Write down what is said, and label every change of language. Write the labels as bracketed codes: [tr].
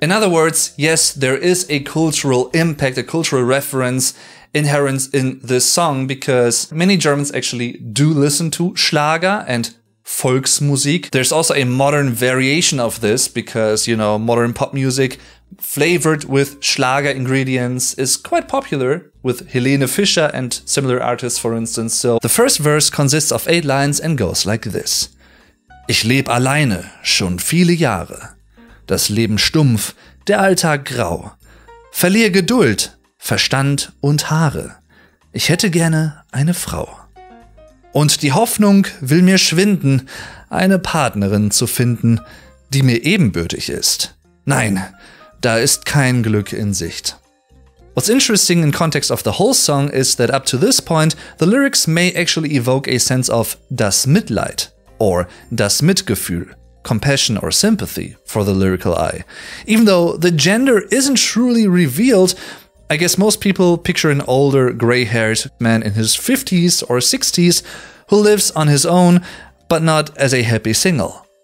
[en] In other words, yes, there is a cultural impact, a cultural reference inherent in this song because many Germans actually do listen to Schlager and Volksmusik. There's also a modern variation of this because, you know, modern pop music flavored with Schlager ingredients is quite popular with Helene Fischer and similar artists, for instance. So the first verse consists of 8 lines and goes like this. [de] Ich lebe alleine schon viele Jahre. Das Leben stumpf, der Alltag grau. Verliere Geduld, Verstand und Haare. Ich hätte gerne eine Frau. Und die Hoffnung will mir schwinden, eine Partnerin zu finden, die mir ebenbürtig ist. Nein, da ist kein Glück in Sicht. [en] What's interesting in context of the whole song is that up to this point, the lyrics may actually evoke a sense of das Mitleid or das Mitgefühl, compassion or sympathy for the lyrical eye. Even though the gender isn't truly revealed, I guess most people picture an older, gray-haired man in his 50s or 60s who lives on his own, but not as a happy single.